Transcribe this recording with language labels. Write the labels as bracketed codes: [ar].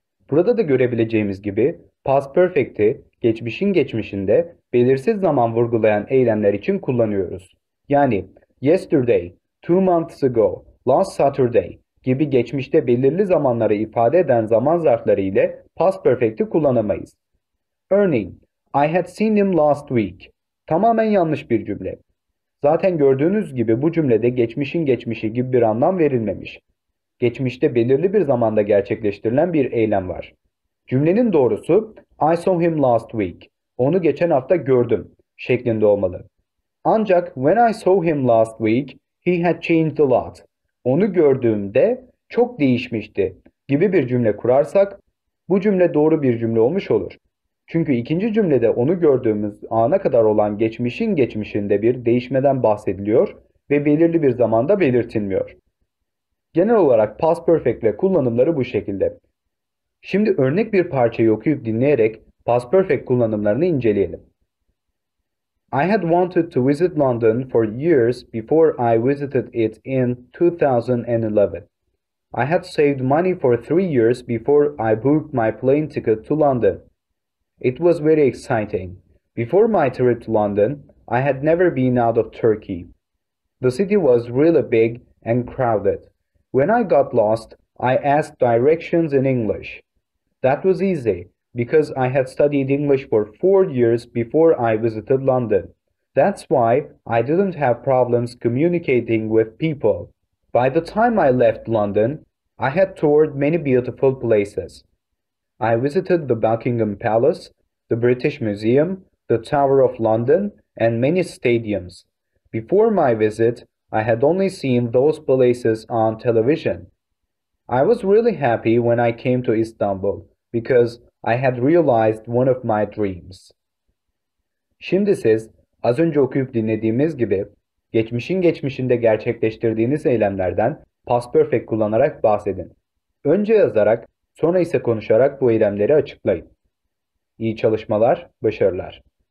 [tr] Burada da görebileceğimiz gibi past perfect'i geçmişin geçmişinde belirsiz zaman vurgulayan eylemler için kullanıyoruz. Yani [en] yesterday, 2 months ago, last Saturday [tr] gibi geçmişte belirli zamanları ifade eden zaman zarfları ile past perfect'i kullanamayız. Örneğin, [en] I had seen him last week. [tr] Tamamen yanlış bir cümle. Zaten gördüğünüz gibi bu cümlede geçmişin geçmişi gibi bir anlam verilmemiş. Geçmişte belirli bir zamanda gerçekleştirilen bir eylem var. Cümlenin doğrusu [en] I saw him last week. [tr] Onu geçen hafta gördüm şeklinde olmalı. Ancak [en] when I saw him last week, he had changed a lot. [tr] Onu gördüğümde çok değişmişti gibi bir cümle kurarsak bu cümle doğru bir cümle olmuş olur. Çünkü ikinci cümlede onu gördüğümüz ana kadar olan geçmişin geçmişinde bir değişmeden bahsediliyor ve belirli bir zamanda belirtilmiyor. Genel olarak past perfect ile kullanımları bu şekilde. Şimdi örnek bir parçayı okuyup dinleyerek past perfect kullanımlarını inceleyelim. [en] I had wanted to visit London for years before I visited it in 2011. I had saved money for 3 years before I booked my plane ticket to London. It was very exciting. Before my trip to London, I had never been out of Turkey. The city was really big and crowded. When I got lost, I asked directions in English. That was easy, because I had studied English for 4 years before I visited London. That's why I didn't have problems communicating with people. By the time I left London, I had toured many beautiful places. I visited the Buckingham Palace, the British Museum, the Tower of London, and many stadiums. Before my visit, I had only seen those places on television. I was really happy when I came to Istanbul because I had realized one of my dreams. [tr] Şimdi siz az önce okuyup dinlediğimiz gibi geçmişin geçmişinde gerçekleştirdiğiniz eylemlerden past perfect kullanarak bahsedin. Önce yazarak, sonra ise konuşarak bu eylemleri açıklayın. İyi çalışmalar, başarılar.